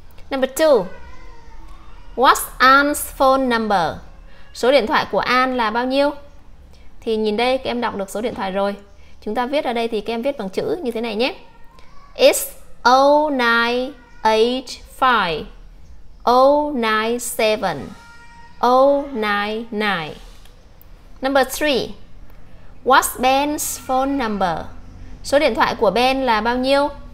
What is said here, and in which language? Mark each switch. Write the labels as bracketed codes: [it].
[en] Number 2, what's Anne's phone number? [vi] Số điện thoại của Anne là bao nhiêu? Thì nhìn đây, các em đọc được số điện thoại rồi. Chúng ta viết ở đây thì các em viết bằng chữ như thế này nhé. [en] It's 0985-097-099. Number 3, what's Ben's phone number? [vi] Số điện thoại của Ben là bao nhiêu?